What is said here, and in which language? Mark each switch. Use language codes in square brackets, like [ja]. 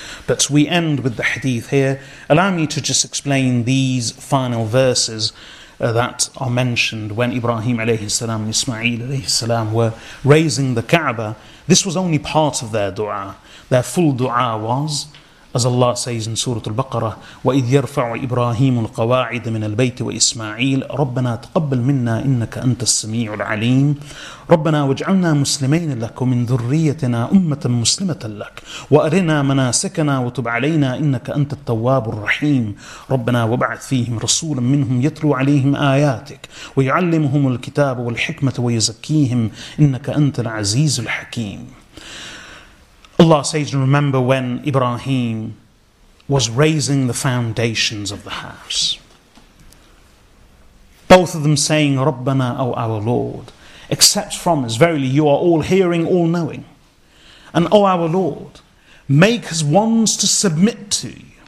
[en] But we end with the hadith here. Allow me to just explain these final verses that are mentioned when Ibrahim alayhi salam and Ismail alayhi salam were raising the Kaaba. This was only part of their dua. Their full dua was, As Allah says in Surah Al-Baqarah, [ar] وَإِذْ يَرْفَعُ إِبْرَاهِيمُ الْقَوَاعِدَ مِنَ الْبَيْتِ وَإِسْمَاعِيلِ رَبَّنَا تَقَبَّلْ مِنَّا إِنَّكَ أَنْتَ السَّمِيعُ الْعَلِيمُ رَبَّنَا وَاجْعَلْنَا مُسْلِمَيْنَ لَكَ وَمِنْ ذُرِّيَّتِنَا أُمَّةً مُسْلِمَةً لَكَ وَأَرِنَا مَنَاسِكَنَا وَتُبْ عَلَيْنَا إِنَّكَ أَنْتَ التَّوَّابُ الرَّحِيمُ رَبَّنَا وَابْعَثْ فِيهِمْ رَسُولًا مِنْهُمْ يَتْلُو عَلَيْهِمْ آيَاتِكَ وَيُعَلِّمُهُمُ الْكِتَابَ وَالْحِكْمَةَ وَيُزَكِّيهِمْ إِنَّكَ أَنْتَ الْعَزِيزُ الْحَكِيمُ. [en] Allah says, remember when Ibrahim was raising the foundations of the house, both of them saying, [ar] رَبَّنَا أَوْ [en] our Lord, accept from us, verily you are all hearing, all knowing. And O our Lord, make us ones to submit to you.